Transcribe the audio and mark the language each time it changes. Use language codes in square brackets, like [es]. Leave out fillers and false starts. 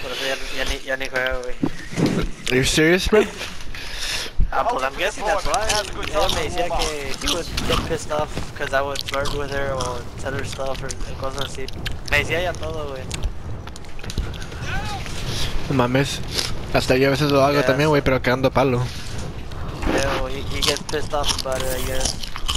[en] Yeah, but [es] ya ni juego, [en] wey. Are you serious, man? Well, I'm guessing that's why. Yeah, [es] me decía que [en] he would get pissed off because I would flirt with her or tell her stuff or [es] cosas así. Me decía ya todo, wey. No mames. Hasta yo a veces lo hago, yeah, también, wey, pero cagando palo. [en] Yeah, well, he gets pissed off about it, I guess.